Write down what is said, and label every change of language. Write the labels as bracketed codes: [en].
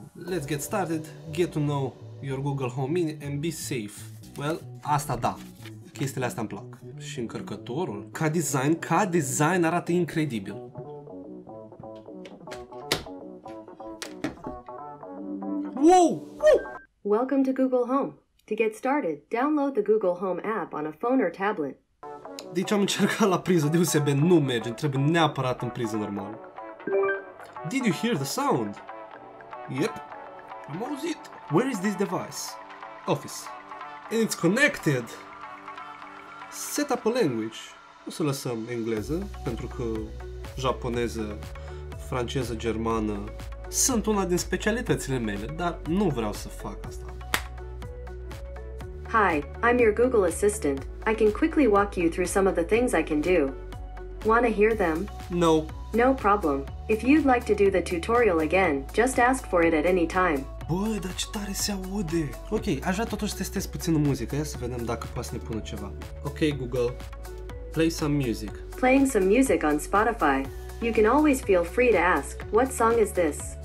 [en] Let's get started, get to know your Google Home Mini and be safe. [ro] Well, asta da, chestiile astea îmi plac. Și încărcătorul, ca design arată incredibil. [en] Welcome to Google Home. To get started, download the Google Home app on a phone or tablet. [ro] Deci am încercat la priză de USB, nu merge, trebuie neapărat în priză normală. [en] Did you hear the sound? Yep, [ro] am auzit. [en] Where is this device? Office. And it's connected. Set up a language. [ro] O să lăsăm engleză, pentru că japoneză, franceză, germană sunt una din specialitățile mele, dar nu vreau să fac asta. [en] Hi, I'm your Google Assistant. I can quickly walk you through some of the things I can do. Wanna hear them? No. No problem. If you'd like to do the tutorial again, just ask for it at any time. [ro] Bă, dar ce tare se aude! Ok, aș vrea totuși să testez puțin muzică. Ia să vedem dacă poate să ne pună ceva. [en] Ok, Google. Play some music. Playing some music on Spotify. You can always feel free to ask, what song is this?